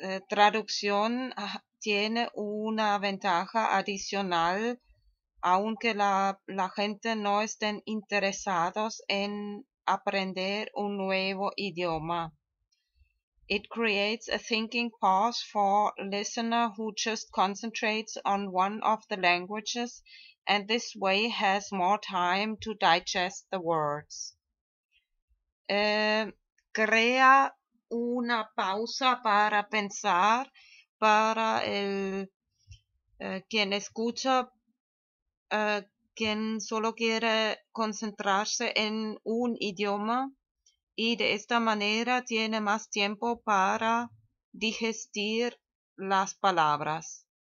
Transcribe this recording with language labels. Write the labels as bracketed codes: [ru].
[es] Traducción tiene una ventaja adicional, aunque la gente no estén interesados en aprender un nuevo idioma. [en] It creates a thinking pause for listener who just concentrates on one of the languages and this way has more time to digest the words. [es] crea una pausa para pensar para el quien escucha, quien solo quiere concentrarse en un idioma y de esta manera tiene más tiempo para digerir las palabras.